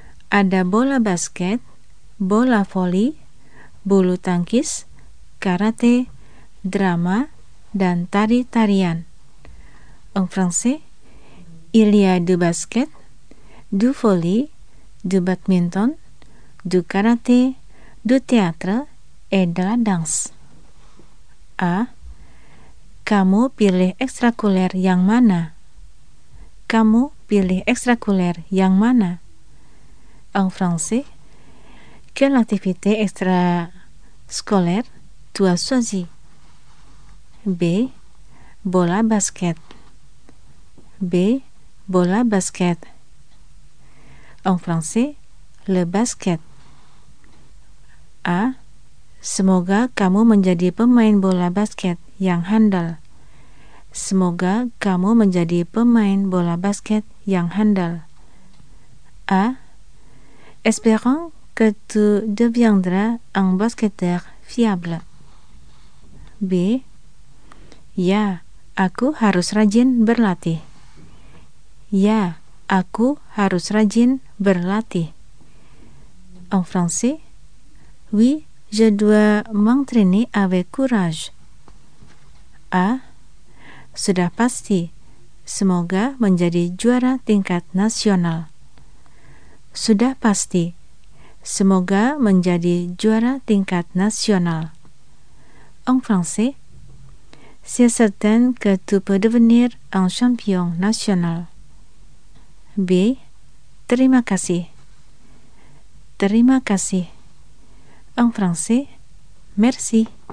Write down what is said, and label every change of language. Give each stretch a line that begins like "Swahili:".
Indonesian: Ada bola basket, bola voli, bulu tangkis, karate, drama, dan tari-tarian.
French: En français, il y a du basket, du volley, du badminton, du karaté, du théâtre et de la danse. A.
Indonesian: Kamu pilih ekstrakuler yang mana? Kamu pilih ekstrakuler yang mana?
French: En français, quelle activité extrascolaire tu as choisi?
Indonesian: B. Bola basket. B. Bola basket.
French: En français, le basket. A.
Indonesian: Semoga kamu menjadi pemain bola basket yang handal. Semoga kamu menjadi pemain bola basket yang handal.
French: A. Espérons que tu deviendras un basketteur fiable. B.
Indonesian: Ya, aku harus rajin berlatih. Ya, aku harus rajin berlatih.
French: En français, oui, je dois m'entraîner avec courage. A.
Indonesian: Sudah pasti, semoga menjadi juara tingkat nasional. Sudah pasti, semoga menjadi juara tingkat nasional.
French: En français, c'est certain que tu peux devenir un champion national.
Indonesian: B. Terima kasih. Terima kasih.
French: En français, merci.